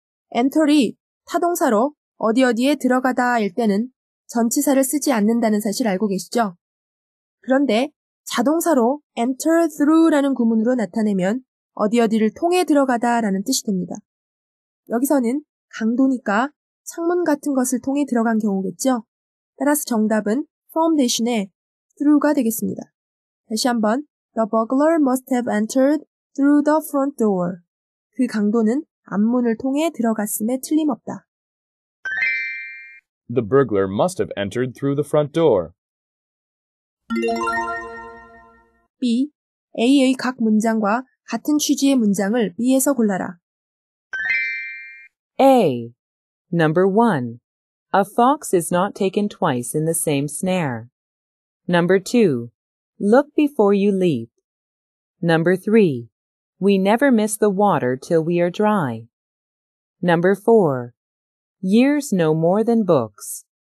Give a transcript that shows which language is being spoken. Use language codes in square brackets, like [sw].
[ko] enter이 타동사로 어디 어디에 들어가다 일 때는 전치사를 쓰지 않는다는 사실 알고 계시죠? 그런데 자동사로 enter through라는 구문으로 나타내면 어디 어디를 통해 들어가다 라는 뜻이 됩니다. 여기서는 강도니까 창문 같은 것을 통해 들어간 경우겠죠? 따라서 정답은 from 대신에 through가 되겠습니다. 다시 한번 [en] The burglar must have entered through the front door. [ko] 그 강도는 앞문을 통해 들어갔음에 틀림없다. [en] The burglar must have entered through the front door. B. [ko] A의 각 문장과 같은 취지의 문장을 B에서 골라라. [en] A. Number 1. A fox is not taken twice in the same snare. Number 2. Look before you leap. Number 3. We never miss the water till we are dry. Number 4. Years know more than books.